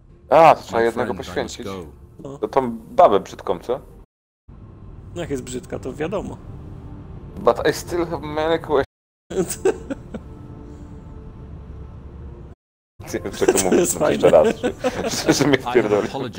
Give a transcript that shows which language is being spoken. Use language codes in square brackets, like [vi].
[pl] A, trzeba jednego poświęcić. To tą babę brzydką, co? No jak jest brzydka, to wiadomo. [en] But I still have many questions. [pl] Nie wiem, co to mówię, jeszcze raz, że mnie wpierdoliłeś.